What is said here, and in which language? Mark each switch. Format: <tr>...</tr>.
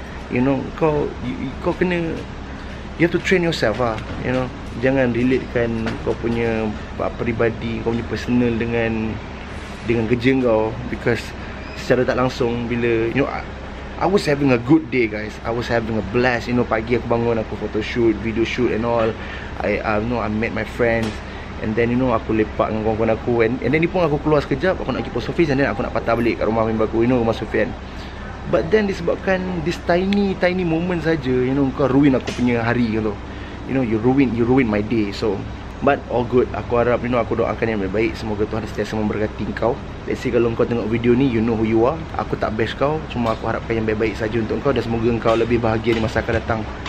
<en>You know,</en> <ms>kau kena,</ms> <en>you have to train yourself lah, you know.</en> <ms>Jangan relatekan kau punya peribadi, kau punya personal dengan kerja kau.</ms> <en>Because</en> <ms>secara tak langsung, bila,</ms> <en>you know, I was having a good day guys. I was having a blast, you know.</en> <ms>Pagi aku bangun, aku</ms> <en>photoshoot, video shoot and all. I met my friends. And then, you know,</en> <ms>aku lepak dengan kawan-kawan aku.</ms> <en>And then,</en> <ms>ni pun aku keluar sekejap, aku nak pergi</ms> <en>post office. And then,</en> <ms>aku nak patah balik kat rumah member aku,</ms> <en>you know,</en> <ms>rumah Sufian.</ms> <en>But then</en> <ms>disebabkan</ms> <en>this tiny moment</en> <ms>saja,</ms> <en>you know,</en> <ms>kau</ms> <en>ruin</en> <ms>aku punya hari tu.</ms> <en>You know, you ruin my day. So, but all good.</en> <ms>Aku harap,</ms> <en>you know,</en> <ms>aku doakan yang baik-baik. Semoga Tuhan sentiasa memberkati kau.</ms> <en>Let's say</en> <ms>kalau kau tengok video ni,</ms> <en>you know who you are.</en> <ms>Aku tak bash kau, cuma aku harapkan yang baik-baik saja untuk kau, dan semoga kau lebih bahagia di masa akan datang.</ms>